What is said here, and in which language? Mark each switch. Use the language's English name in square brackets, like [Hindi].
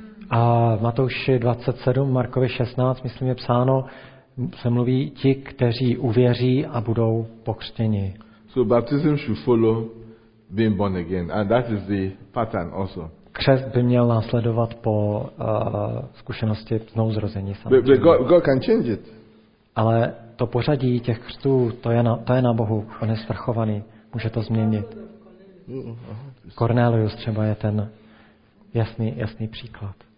[Czech] A v Matouši 27, Markovi 16, myslím, je psáno, se mluví ti, kteří uvěří a budou pokřtěni. [English] So baptism should follow being born again, and that is the pattern also. [Czech] Křest by měl následovat po zkušenosti znovu zrození. [English] But God can change it. [Czech] Ale to pořadí těch křtů, to je na Bohu, on je svrchovaný, může to změnit. Cornelius třeba je ten jasný příklad.